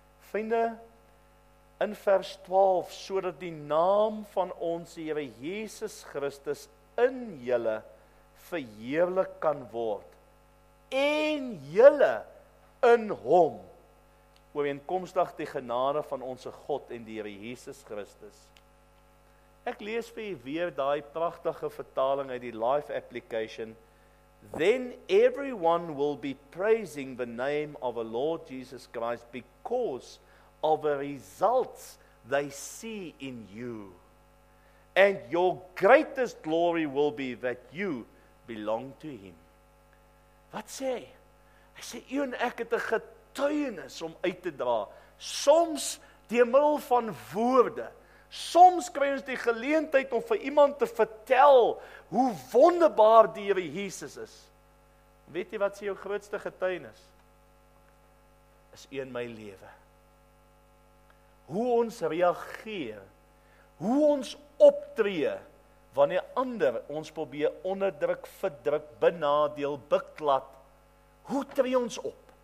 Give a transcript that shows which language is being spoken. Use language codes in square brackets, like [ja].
[af] Vriende, in vers 12, sodat die naam van ons Here Jesus Christus in julle verheerlik kan word, en julle in hom, ooreenkomstig die genade van onse God en die Here Jesus Christus. Ek lees vir julle weer daai pragtige vertaling uit die Life Application. [en] Then everyone will be praising the name of the Lord Jesus Christ because of the results they see in you. And your greatest glory will be that you belong to him. [af] Wat sê hy? Hy sê, u en ek het 'n getuienis om uit te dra. Soms deur middel van woorde. Soms kry ons die geleentheid om vir iemand te vertel hoe wonderbaar die Here Jesus is. Weet jy wat sê jou grootste getuienis? Is een my lewe. Hoe ons reageer, hoe ons optree, wanneer ander ons probeer onderdruk, verdruk, benadeel, beklad, hoe tree ons op?